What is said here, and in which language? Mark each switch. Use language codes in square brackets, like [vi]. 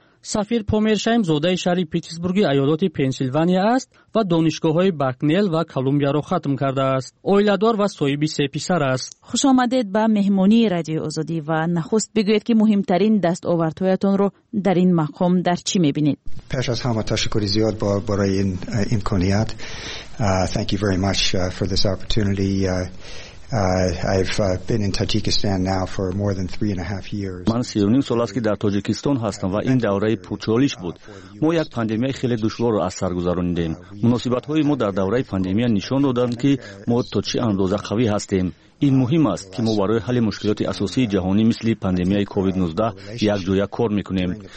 [fa] سفیر پومرشایم زاده شهر پیتسبورگ ایالات پنسیلوانیا است و دانشگاه های باکنل و کلمبیا را ختم کرده است. اویلادار و صاحب 3 پسر است. خوش آمدید به مهمانی رادیو آزادی و نخست بگویید که مهمترین دستاوردهایتان را در این مقام در چی میبینید؟ پیش از همه تشکر زیاد برای این امکانیت. [en] Thank you very much for this opportunity. I've been in Tajikistan now for more than 3.5 years. [fa] من 3.5 سال است که در تاجیکستان هستم و این دوره پرچالش بود. ما یک پاندمی خیلی دشوار را از سر گذرانیدیم. مناسبت های ما در دوره پاندمی نشان دادند که ما تا چه اندازه قوی هستیم. این مهم است که ما برای حل مشکلات اساسی جهانی مثل پاندمی کووید 19 یک جویا کار میکنیم.